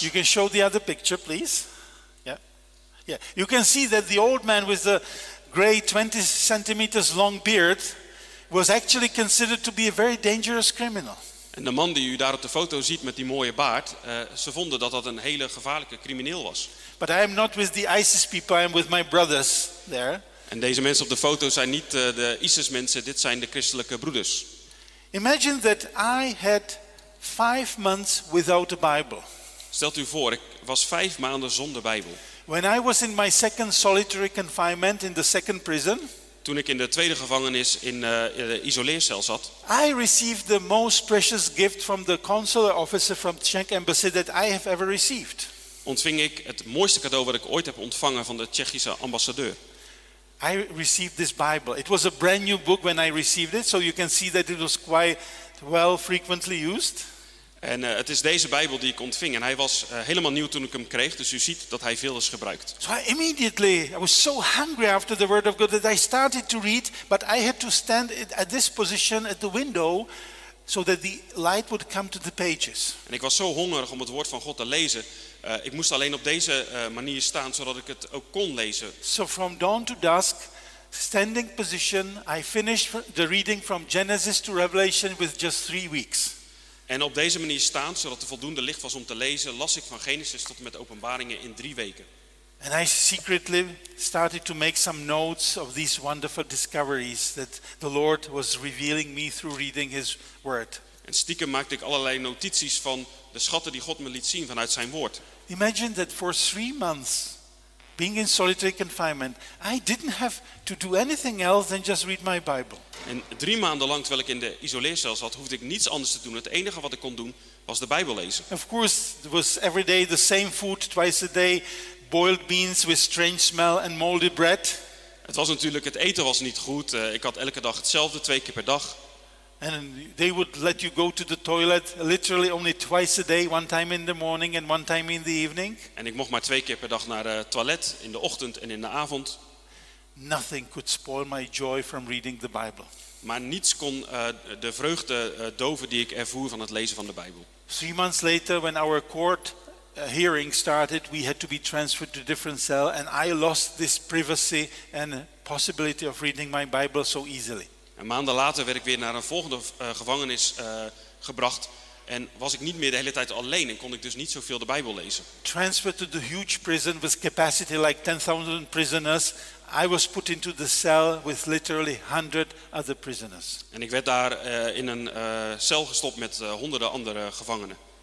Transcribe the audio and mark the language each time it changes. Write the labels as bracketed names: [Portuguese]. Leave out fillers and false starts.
[English] You can show the other picture, please. Yeah. Yeah. You can see that the old man with the gray 20 centimeters long beard was actually considered to be a very dangerous criminal. [Dutch] En de man die u daar op de foto ziet met die mooie baard, ze vonden dat dat een hele gevaarlijke crimineel was. [English] But I am not with the ISIS people, I am with my brothers there. [Dutch] En deze mensen op de foto zijn niet de ISIS mensen, dit zijn de christelijke broeders. [English] Imagine that I had 5 months without a Bible. [Dutch] Stelt u voor, ik was 5 maanden zonder Bijbel. [English] When I was in my second solitary confinement in the second prison. [Dutch] Toen ik in de tweede gevangenis in de isoleercel zat. [English] I received the most precious gift from the consular officer from the Czech embassy that I have ever received. [Dutch] Ontving ik het mooiste cadeau wat ik ooit heb ontvangen van de Tsjechische ambassadeur. [English] I received this Bible. It was a brand new book when I received it, so you can see that it was quite well frequently used. [Dutch] En het is deze Bijbel die ik ontving. En hij was helemaal nieuw toen ik hem kreeg. Dus u ziet dat hij veel is gebruikt. [English] So I immediately, I was so hungry after the word of God that I started to read. But I had to stand at this position at the window so that the light would come to the pages. [Dutch] En ik was zo hongerig om het woord van God te lezen. Ik moest alleen op deze manier staan zodat ik het ook kon lezen. [English] So from dawn to dusk, standing position, I finished the reading from Genesis to Revelation with just 3 weeks. [Dutch] En op deze manier staan, zodat er voldoende licht was om te lezen, las ik van Genesis tot en met Openbaringen in 3 weken. [English] And I secretly started to make some notes of these wonderful discoveries that the Lord was revealing me through reading His Word. [Dutch] En stiekem maakte ik allerlei notities van de schatten die God me liet zien vanuit Zijn Woord. [English] Imagine that for 3 months, being in solitary confinement, I didn't have to do anything else than just read my Bible. [Dutch] En 3 maanden lang, terwijl ik in de isoleercel zat, hoefde ik niets anders te doen. Het enige wat ik kon doen, was de Bijbel lezen. [English] Of course, it was every day the same food, twice a day, boiled beans with strange smell and moldy bread. [Dutch] Het was natuurlijk, het eten was niet goed. Ik had elke dag hetzelfde, 2 keer per dag. [English] And they would let you go to the toilet literally only twice a day, one time in the morning and one time in the evening. [Dutch] En ik mocht maar 2 keer per dag naar het toilet, in de ochtend en in de avond. [English] Nothing could spoil my joy from reading the Bible. [Dutch] Maar niets kon de vreugde doven die ik ervoer van het lezen van de Bijbel. [English] 3 months later, when our court hearing started, we had to be transferred to a different cell, and I lost this privacy and possibility of reading my Bible so easily. [Dutch] En maanden later werd ik weer naar een volgende gevangenis gebracht en was ik niet meer de hele tijd alleen en kon ik dus niet zoveel de Bijbel lezen. [English] Transferred to the huge prison with capacity like 10,000 prisoners, I was put into the cell with literally 100 other prisoners. [Dutch] En ik werd daar in een cel gestopt met honderden andere gevangenen.